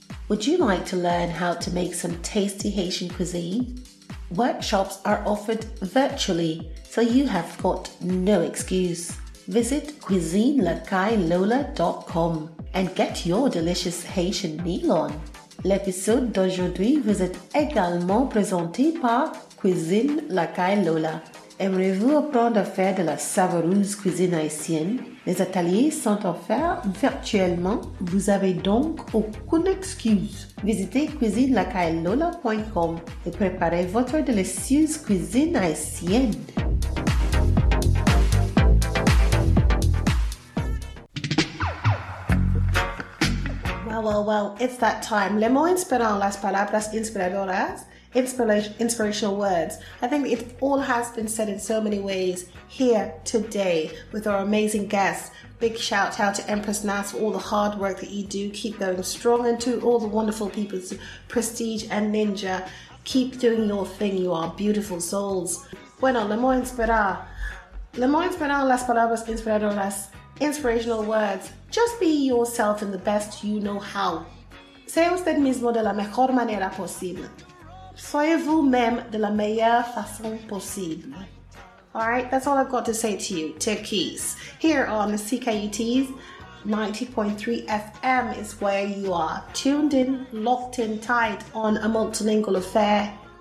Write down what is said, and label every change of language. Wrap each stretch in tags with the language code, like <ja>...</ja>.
<en>Would you like to learn how to make some tasty Haitian cuisine? Workshops are offered virtually, so you have got no excuse. Visit cuisinelakailola.com and get your delicious Haitian meal on.</en> <fr>L'épisode d'aujourd'hui vous est également présenté par Cuisine La Kai Lola. Aimerez-vous apprendre à faire de la savoureuse cuisine haïtienne? Les ateliers sont offerts virtuellement. Vous avez donc aucune excuse. Visitez cuisinelakailola.com et préparez votre délicieuse cuisine haïtienne.</fr> <en>Well, it's that time.</en> <fr>Les mots inspirants,</fr> <es>las palabras inspiradoras,</es> <en>inspirational words. I think it all has been said in so many ways here today with our amazing guests. Big shout out to Empress Nas for all the hard work that you do. Keep going strong. And to all the wonderful people, Prestige and Nin-Jah, keep doing your thing. You are beautiful souls.</en> <es>Bueno,</es> <fr>les mots inspirants,</fr> <es>las palabras inspiradoras,</es> <en>inspirational words. Just be yourself in the best you know how.</en> <es>Sea usted mismo de la mejor manera posible.</es> <fr>Soyez vous-même de la meilleure façon possible.</fr> <en>All right, that's all I've got to say to you. Turquoise. Here on the CKUT's 90.3 FM is where you are tuned in, locked in tight on a multilingual affair.</en>